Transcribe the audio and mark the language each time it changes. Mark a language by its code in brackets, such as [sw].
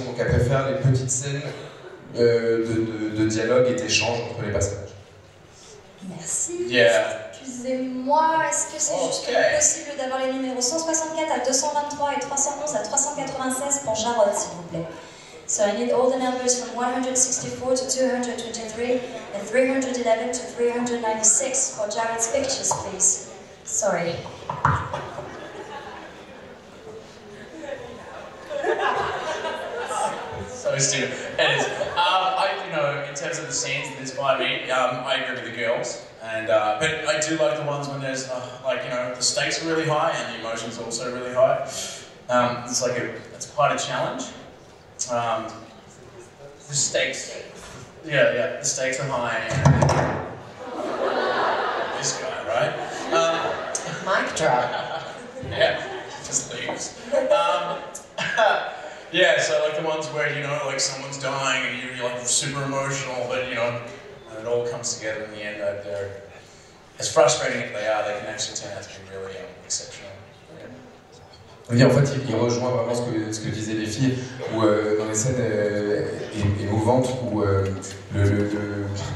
[fr] Donc elle préfère les petites scènes. De dialogue et d'échange entre les passages. Merci. [en] Yeah. [fr] Excusez-moi, est-ce que c'est juste possible d'avoir les numéros 164 à 223 et 311 à 396 pour Jarod, s'il vous plaît? [en] So I need all the numbers from 164 to 223 and 311 to 396 for Jarod's pictures, please. Sorry. So stupid. In terms of the scenes that inspire me, I agree with the girls, but I do like the ones when there's, the stakes are really high and the emotions are also really high. It's quite a challenge. The stakes, yeah, the stakes are high. This guy, right? Mic drop. Yeah, just leaves. Yeah, so like the ones where, someone's dying and you're like super emotional, but and it all comes together in the end. They're, as frustrating as they are, they can actually turn out to be really exceptional. [fr] Oui, en fait, il rejoint vraiment ce que disaient les filles, où dans les scènes émouvantes, où le